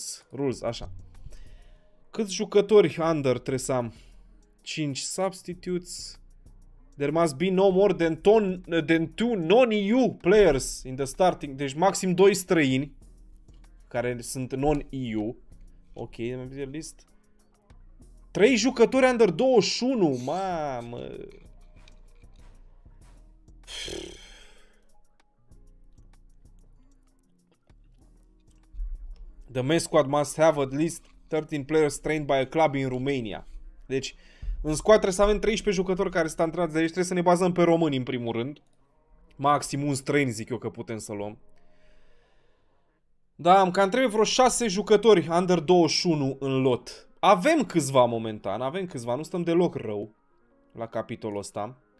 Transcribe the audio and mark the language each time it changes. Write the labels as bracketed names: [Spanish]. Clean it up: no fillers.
[Romanian] rules, așa. Câți jucători under trebuie să am? [English] 5 substitutes. There must be no more than two non-EU players in the starting. [Romanian] Deci maxim 2 străini care sunt non-EU. Ok, mi-am zis list. 3 jucători under 21, mamă. [English] The men's squad must have at least 13 players trained by a club in Romania. [Romanian] Deci, în squad trebuie să avem 13 jucători care sunt antrenați de aici. Trebuie să ne bazăm pe români, în primul rând. Maxim un străin, zic eu, că putem să luăm. Da, am cam trebuie vreo 6 jucători under 21 în lot. Avem câțiva momentan, avem câțiva. Nu stăm deloc rău la capitolul ăsta.